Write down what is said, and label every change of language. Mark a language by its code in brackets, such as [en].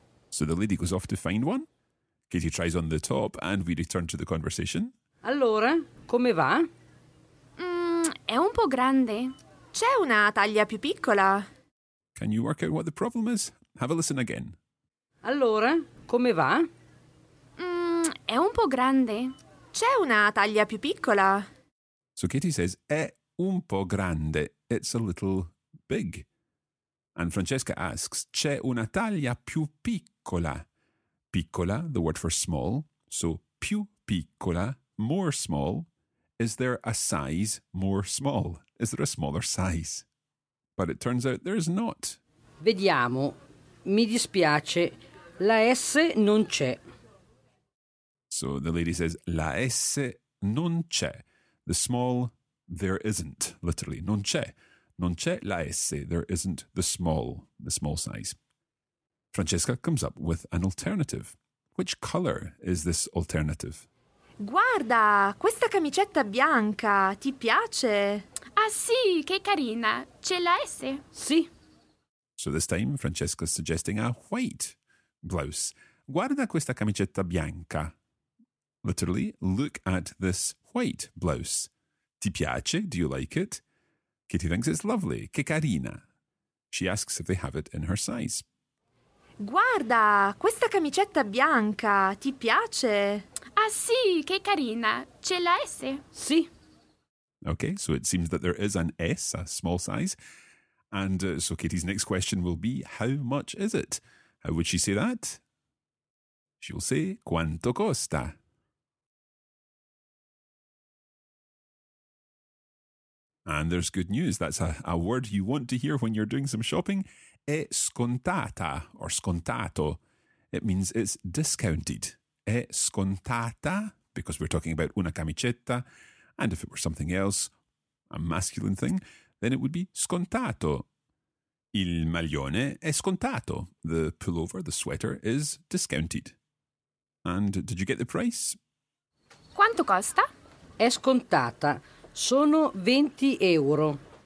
[en] So the lady goes off to find one, Katie tries on the top and we return to the conversation. [it] Allora, come va? È un po' grande, c'è una taglia più piccola. [en] Can you work out what the problem is? Have a listen again. [it] Allora, come va? È un po' grande. C'è una taglia più piccola? [en] So Katie says, [it] è un po' grande. [en] It's a little big. And Francesca asks, [it] c'è una taglia più piccola? [en] Piccola, the word for small. [it] So più piccola, [en] more small. Is there a size more small? Is there a smaller size? But it turns out there is not. [it] Vediamo. Mi dispiace. La S non c'è. [en] So the lady says, [it] la S non c'è. [en] The small, there isn't, literally. [it] Non c'è. Non c'è la S. [en] There isn't the small size. Francesca comes up with an alternative. Which color is this alternative? [it] Guarda, questa camicetta bianca, ti piace? Ah sì, che carina. C'è la S. Sì. [en] So this time, Francesca's suggesting a white blouse. [it] Guarda questa camicetta bianca. [en] Literally, look at this white blouse. [it] Ti piace? [en] Do you like it? Katie thinks it's lovely. [it] Che carina. [en] She asks if they have it in her size. [it] Guarda, questa camicetta bianca. Ti piace? Ah sì, che carina. C'è la S? Sì. [en] Okay, so it seems that there is an S, a small size. And so Katie's next question will be, how much is it? How would she say that? She'll say, [it] quanto costa? [en] And there's good news. That's a word you want to hear when you're doing some shopping. [it] È scontata or scontato. [en] It means it's discounted. [it] È scontata, [en] because we're talking about una camicetta. And if it were something else, a masculine thing, then it would be scontato. [it] Il maglione è scontato. [en] The pullover, the sweater, is discounted. And did you get the price? [it] Quanto costa? È scontata. Sono 20 euro.